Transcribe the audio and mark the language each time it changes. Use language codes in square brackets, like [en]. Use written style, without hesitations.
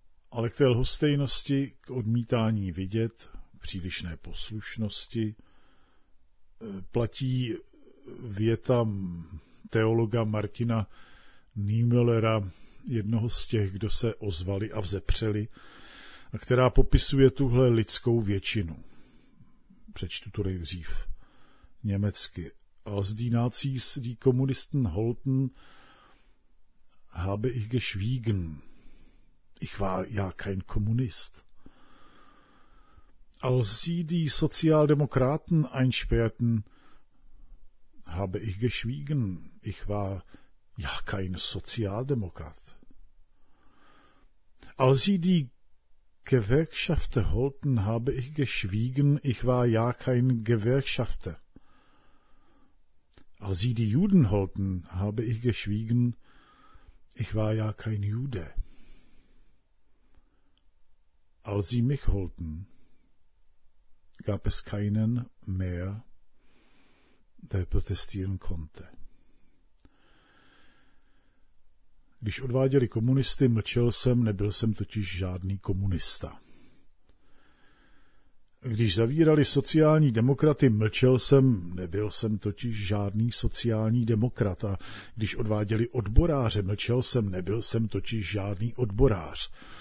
[cs] ale k té lhostejnosti, k odmítání vidět, přílišné poslušnosti, platí věta teologa Martina Niemöllera, jednoho z těch, kdo se ozvali a vzepřeli, a která popisuje tuhle lidskou většinu. Přečtu tu nejdřív německy. [de] aus die Nazis, die Kommunisten holten, habe ich geschwiegen. Ich war ja kein Kommunist. Als sie die Sozialdemokraten einsperrten, habe ich geschwiegen. Ich war ja kein Sozialdemokrat. Als sie die Gewerkschafter holten, habe ich geschwiegen. Ich war ja kein Gewerkschafter. Als sie die Juden holten, habe ich geschwiegen. Ich war ja kein Jude. Als sie mich holten, gab es keinen mehr, der protestieren konnte. [cs] Když odváděli komunisty, mlčel jsem, nebyl jsem totiž žádný komunista. Když zavírali sociální demokraty, mlčel jsem, nebyl jsem totiž žádný sociální demokrat. A když odváděli odboráře, mlčel jsem, nebyl jsem totiž žádný odborář.